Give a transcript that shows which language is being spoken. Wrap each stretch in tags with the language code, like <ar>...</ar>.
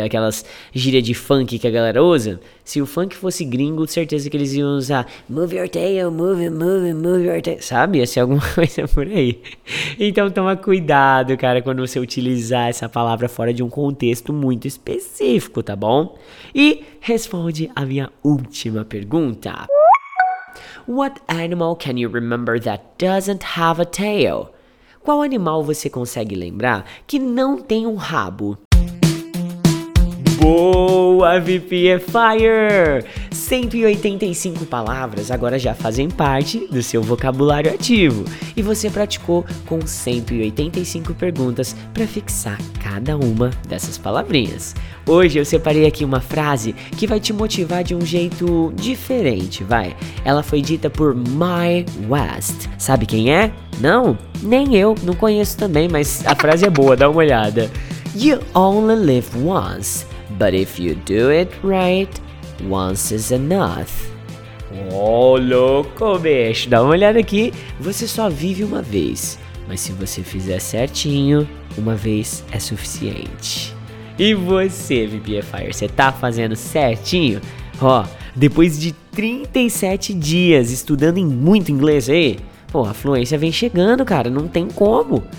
<pt>Aquelas gírias de funk que a galera usa. Se o funk fosse gringo, certeza que eles iam usar</pt> <en>move your tail, move your tail,</en> <pt>sabe? Ia ser alguma coisa por aí. Então toma cuidado, cara, quando você utilizar essa palavra fora de um contexto muito específico, tá bom? E responde a minha última pergunta.</pt> <en>What animal can you remember that doesn't have a tail?</en> <pt>Qual animal você consegue lembrar que não tem um rabo? Boa, VPFIR! 185 palavras agora já fazem parte do seu vocabulário ativo. E você praticou com 185 perguntas para fixar cada uma dessas palavrinhas. Hoje eu separei aqui uma frase que vai te motivar de um jeito diferente, vai. Ela foi dita por Mae West. Sabe quem é? Não? Nem eu, não conheço também, mas a frase é boa, dá uma olhada.</pt> <en>You only live once, but if you do it right, once is enough.</en> <pt>Oh, louco, bicho. Dá uma olhada aqui. Você só vive uma vez, mas se você fizer certinho, uma vez é suficiente. E você, VPFIR, você tá fazendo certinho? Ó, depois de 37 dias estudando em muito inglês aí, pô, a fluência vem chegando, cara, não tem como.</pt>